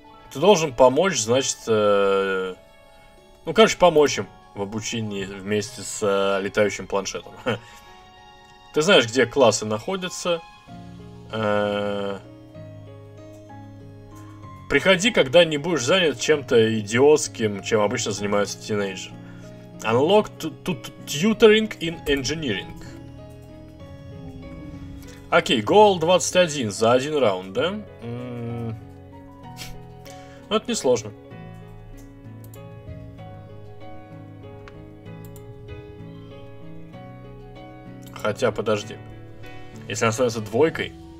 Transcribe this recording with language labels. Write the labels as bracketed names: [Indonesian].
[Russian] Ты должен помочь, значит, ну, короче, помочь им в обучении вместе с летающим планшетом. Ты знаешь, где классы находятся. Приходи, когда не будешь занят чем-то идиотским, чем обычно занимаются тинейджеры. [English] Unlock tutoring in engineering. [Russian] Окей, goal 21 за один раунд, да? Ну, это несложно. Хотя, подожди. Если она становится двойкой...